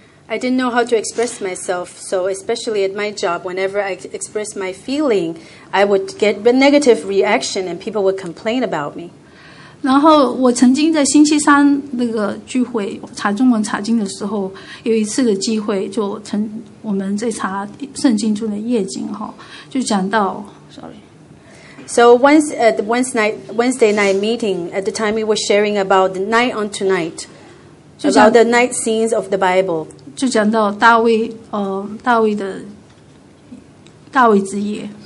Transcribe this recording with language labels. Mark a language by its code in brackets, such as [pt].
[en] I didn't know how to express myself, so especially at my job, whenever I express my feeling, I would get a negative reaction and people would complain about me. [zh] 然后我曾经在星期三那个聚会查中文查经的时候，有一次的机会就我们这查圣经中的夜景哈，就讲到， [en] sorry。So once at the Wednesday night meeting, at the time we were sharing about the night on tonight, about the night scenes of the Bible. [zh] 就讲到大卫的大卫之夜。